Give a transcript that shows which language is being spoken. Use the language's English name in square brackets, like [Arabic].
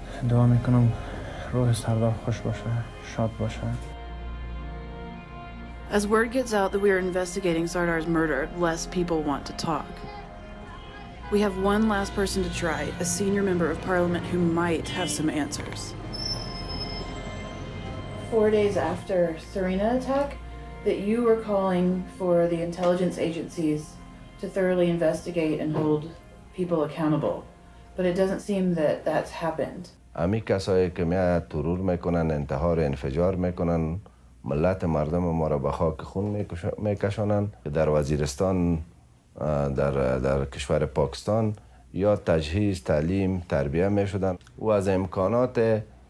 [Persian] دعا میکنم روح سردار خوش باشه، شاد باشه. [English] As word gets out that we are investigating Sardar's murder, less people want to talk. We have one last person to try, a senior member of parliament who might have some answers. 4 days after Serena attack, that you were calling for the intelligence agencies to thoroughly investigate and hold people accountable. But it doesn't seem that that's happened. [Persian] امی کسایی که میاد ترور میکنن، انتحار، انفجار میکنن، ملت مردم ما را به خاک خون میکشانن، در وزیرستان، در کشور پاکستان یا تجهیز، تعلیم، تربیه میشدن و از امکانات